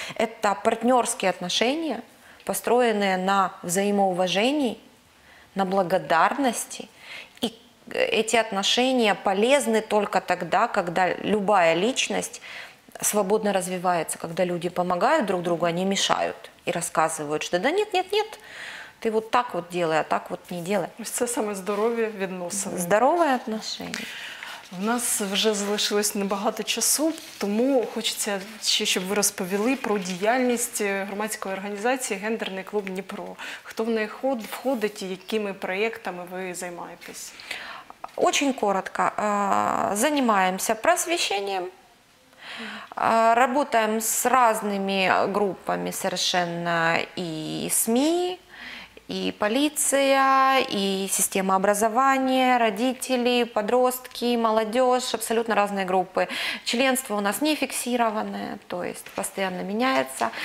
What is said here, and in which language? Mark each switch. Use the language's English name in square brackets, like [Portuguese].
[Russian] Это партнерские отношения, построенные на взаимоуважении, на благодарности. И эти отношения полезны только тогда, когда любая личность свободно развивается, когда люди помогают друг другу, а не мешают и рассказывают, что «да нет». Ты вот так вот делай, а так вот не делай. [Ukrainian] Ось це саме здоров'я відносин. Здорове отношення. У нас вже залишилось небагато часу, тому хочеться ще, щоб ви розповіли про діяльність громадської організації «Гендерний клуб Дніпро». Хто в неї входить і якими проєктами ви займаєтесь? [Russian] Очень коротко. [Ukrainian] Займаємося просвіщенням. [Russian] Работаем с разными группами совершенно, и СМИ, и полиция, и система образования, родители, подростки, молодежь, абсолютно разные группы. Членство у нас не фиксированное, то есть постоянно меняется.